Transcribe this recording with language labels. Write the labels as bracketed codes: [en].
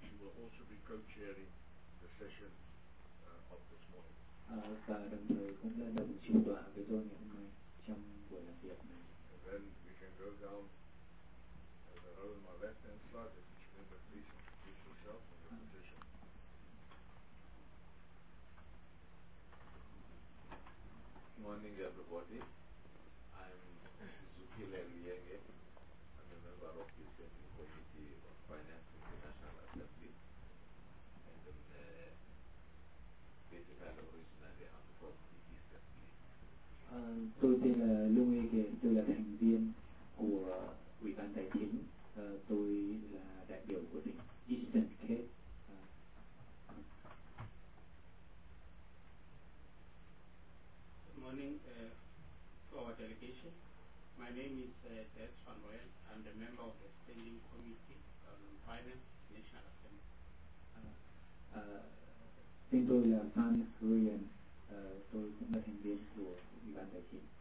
[en] she will also be co-chairing the session of this morning. [vi] Và đồng thời cũng là đồng chủ tọa với tôi ngày hôm nay trong buổi làm việc này. [en] And then we can go down the row on my left hand side, if you remember, please introduce yourself and your position. Good morning, everybody. I'm Zukile Lienge. I'm a member of the Standing Committee of Finance in the National Assembly. [vi] Tôi tên là Lưu Nguyên Kiệt, tôi là thành viên của Ủy ban Tài chính. Tôi là đại biểu của tỉnh Eastern Cape. [en] Good morning to our delegation. My name is Ted Van Royal. I'm the member of the Standing Committee on Finance, National Assembly. [vi] Tên tôi là Phan Nguyen. Tôi cũng là thành viên của Ủy ban Tài chính.